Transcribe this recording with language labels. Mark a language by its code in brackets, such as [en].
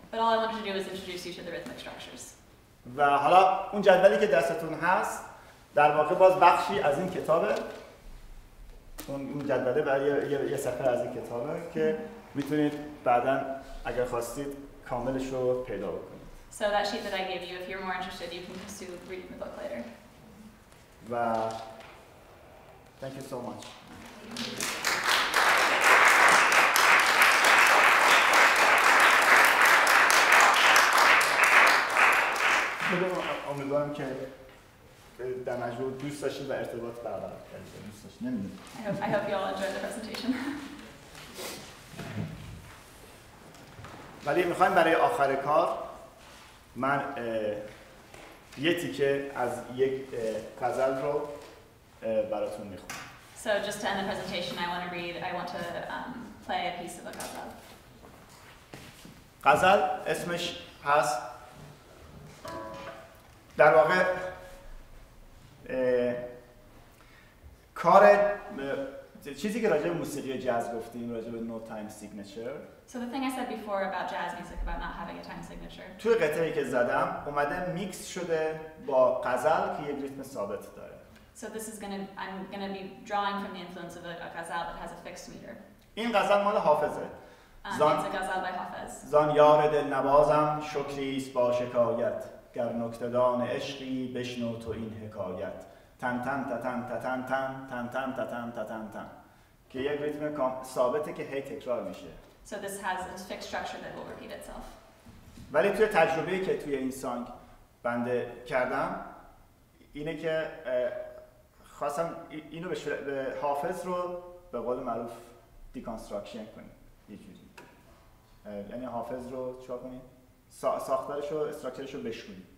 [en] But all I wanted to do was introduce you to the rhythmic structures. [fa] و حالا اون جدولی که دستتون هست در واقع باز بخشی از این کتابه. اون جدوله برای یه صفحه از این کتابه که میتونید بعداً اگر خواستید کاملش رو پیدا بکنید. [en] So that sheet that I gave you, if you're more interested, you can pursue reading the book later. و thank you so much. [fa] امیدوارم که در مجموع دوست داشتید و ارتباط برقرار کردید. دوست داشتید. نمیدونم. [en] I hope you all enjoyed the presentation. [fa] ولی میخوایم برای آخر کار من یه تیکه از یک غزل رو براتون میخونم. [en] So just to end the presentation, I want to play a piece of a ghazal. [fa] غزل اسمش هست در واقع کار چیزی که راجع به موسیقی جاز گفتیم راجع به نو تایم سیگنچر. [en] So the thing I said before about jazz music about not having a time signature. [fa] توی قطعه‌ای که زدم اومده میکس شده با غزل که یک ریتم ثابت داره. [en] So this is I'm gonna be drawing from the influence of a ghazal that has a fixed meter. [fa] این غزل مال حافظه. [en] It's a ghazal by Hafez. [fa] زان یار دل نوازم شکری است با شکایت. گر نکته‌دان عشقی بشنو تو این حکایت. تن تن تن تن تن تن تن تن تن تن تن تن تن تن که یک ریتم ثابته که هی تکرار میشه. [en] So this has a fixed structure that will repeat itself. [fa] ولی توی تجربه‌ای که توی این سانگ بنده کردم اینه که خواستم اینو به حافظ رو به قول معروف دیکانستراکشن کنیم یه جوری. یعنی حافظ رو چه کنیم؟ ساختارش و استراکچرش رو بشکنیم.